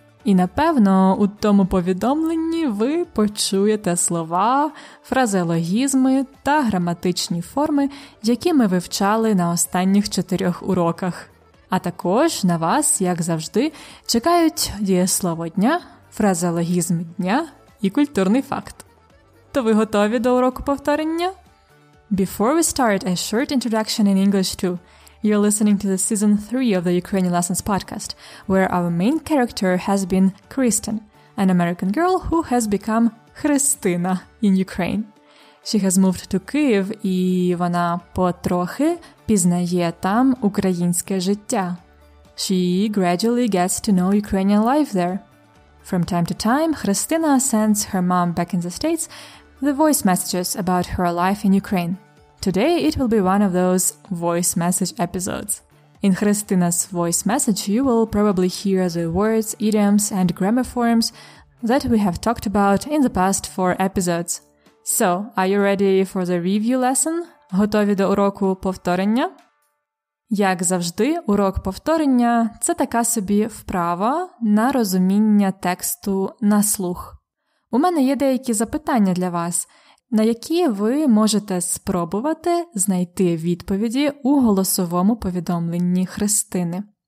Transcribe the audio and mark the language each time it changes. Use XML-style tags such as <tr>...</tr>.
<uk>І, напевно, у тому повідомленні ви почуєте слова, фразеологізми та граматичні форми, які ми вивчали на останніх 4 уроках. А також на вас, як завжди, чекають дієслово дня, фразеологізм дня і культурний факт. То ви готові до уроку повторення?</uk> <en>Before we start, a short introduction in English too. You're listening to the season 3 of the Ukrainian Lessons podcast, where our main character has been Kristen, an American girl who has become Христина in Ukraine. She has moved to Kyiv,</en> <uk>і вона потрохи пізнає там українське життя.</uk> <en>She gradually gets to know Ukrainian life there. From time to time, Христина sends her mom back in the States the voice messages about her life in Ukraine. Today it will be one of those voice message episodes. In Christina's voice message, you will probably hear the words, idioms, and grammar forms that we have talked about in the past 4 episodes. So, are you ready for the review lesson?</en> <uk>Готові до уроку повторення? Як завжди, урок повторення – це така собі вправа на розуміння тексту на слух. У мене є деякі запитання для вас, на які ви можете спробувати знайти відповіді у голосовому повідомленні Христини.</uk>